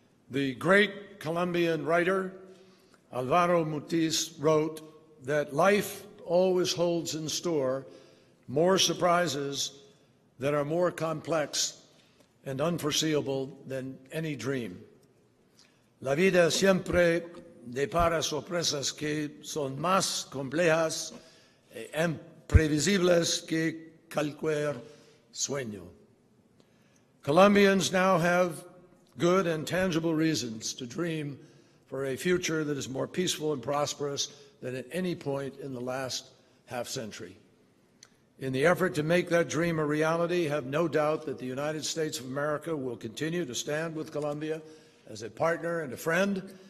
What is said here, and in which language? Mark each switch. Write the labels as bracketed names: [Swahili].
[English] The great Colombian writer Alvaro Mutis wrote that life always holds in store more surprises that are more complex and unforeseeable than any dream. [Spanish] La vida siempre depara sorpresas que son más complejas e imprevisibles que cualquier sueño. [English] Colombians now have good and tangible reasons to dream for a future that is more peaceful and prosperous than at any point in the last half century. In the effort to make that dream a reality, have no doubt that the United States of America will continue to stand with Colombia as a partner and a friend.